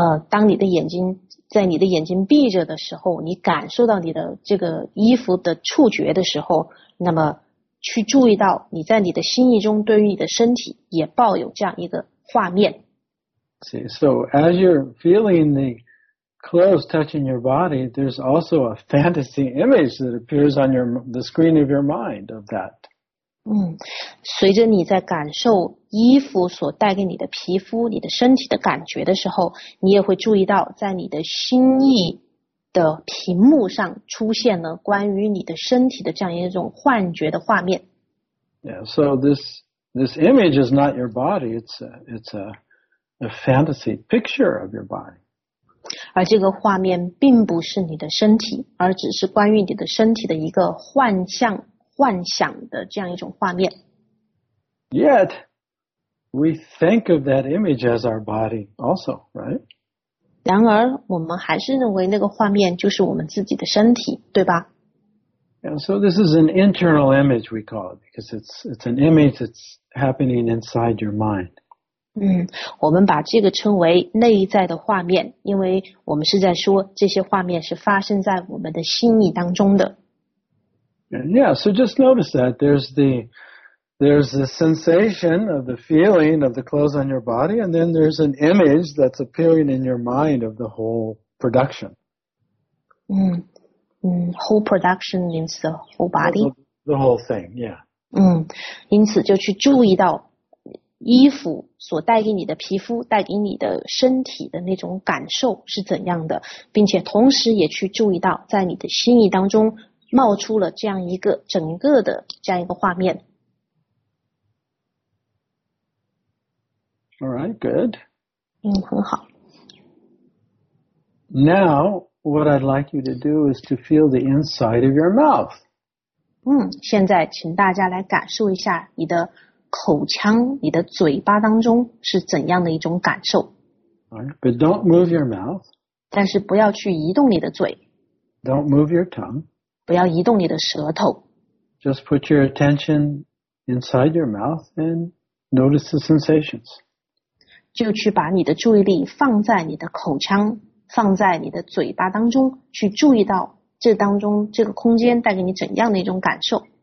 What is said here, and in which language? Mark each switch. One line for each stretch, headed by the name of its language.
Chinese: 当你的眼睛在你的眼睛闭着的时候，你感受到你的这个衣服的触觉的时候，那么去注意到你在你的心意中对于你的身体也抱有这样一个画面。
English: See, so as you're feeling the clothes touching your body, there's also a fantasy image that appears on the screen of your mind of that.
Chinese: 随着你在感受衣服所带给你的皮肤、你的身体的感觉的时候，你也会注意到在你的心意的屏幕上出现了关于你的身体的这样一种幻觉的画面。
English: Yeah, so this image is not your body, it's a fantasy picture of your body.
Chinese: 而这个画面并不是你的身体，而只是关于你的身体的一个幻象、幻想的这样一种画面。
English: Yet, we think of that image as our body also, right?
Chinese: 然而，我们还是认为那个画面就是我们自己的身体，对吧？
English: And so this is an internal image, we call it, because it's an image that's happening inside your mind.
Chinese: 我们把这个称为内在的画面，因为我们是在说这些画面是发生在我们的心意当中的。
English: Yeah, so just notice that there's the sensation of the feeling of the clothes on your body, and then there's an image that's appearing in your mind of the whole production. Whole production means the whole body. The whole thing, yeah.
Chinese: 因此就去注意到衣服所带给你的皮肤带给你的身体的那种感受是怎样的，并且同时也去注意到在你的心意当中冒出了这样一个整个的这样一个画面。
English: Alright, good.
Chinese: 很好。
English: Now, what I'd like you to do is to feel the inside of your mouth.
Chinese: 现在请大家来感受一下你的口腔，你的嘴巴当中是怎样的一种感受。
English: Alright, but don't move your mouth.
Chinese: 但是不要去移动你的嘴。
English: Don't move your tongue.
Chinese: 不要移动你的舌头。
English: Just put your attention inside your mouth and notice the sensations.
Chinese: 就去把你的注意力放在你的口腔，放在你的嘴巴当中，去注意到这当中这个空间带给你怎样的一种感受。